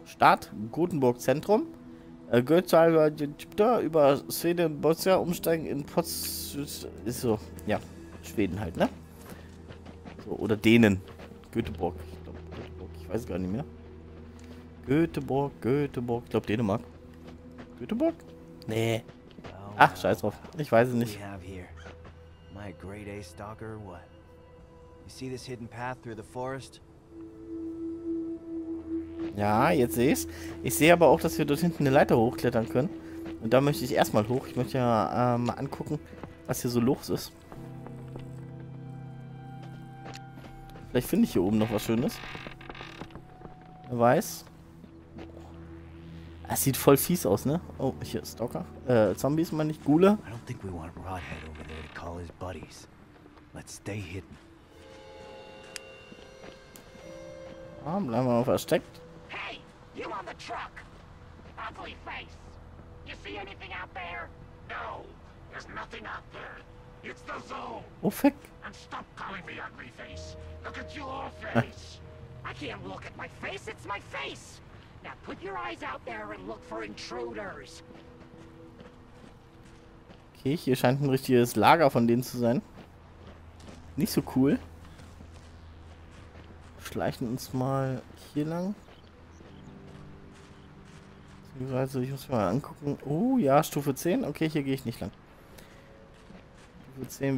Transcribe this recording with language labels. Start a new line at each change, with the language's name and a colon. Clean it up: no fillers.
German: Start, Gothenburg Zentrum. Götzalver über Schweden, Bosnia umsteigen in Potsdam. Ist so, ja, Schweden halt, ne? So, oder Dänen. Göteborg, ich glaube, Göteborg, ich weiß gar nicht mehr. Göteborg, ich glaube Dänemark. Göteborg? Nee. Ach, scheiß drauf, ich weiß es nicht.
English: We have here my grade A stalker, what? You see this hidden path through the forest?
German: Ja, jetzt sehe ich's. Ich sehe aber auch, dass wir dort hinten eine Leiter hochklettern können. Und da möchte ich erstmal hoch. Ich möchte ja mal angucken, was hier so los ist. Vielleicht finde ich hier oben noch was Schönes. Wer weiß. Es sieht voll fies aus, ne? Oh, hier ist Stalker. Zombies meine ich. Ghule.
English: I don't think we want Rodhead over there to call his buddies. Let's stay hidden.
German: Ah, bleiben wir mal versteckt.
English: Hey, you on the truck! Ugly face! You see anything out there? No, there's nothing out there. It's the zone!
German: Oh, fick!
English: And stop calling me ugly face! Look at your face! I can't look at my face, it's my face! Now put your eyes out there and look for intruders!
German: Okay, hier scheint ein richtiges Lager von denen zu sein. Nicht so cool. Schleichen uns mal hier lang. Beziehungsweise, ich muss mal angucken. Oh ja, Stufe 10. Okay, hier gehe ich nicht lang. Stufe 10.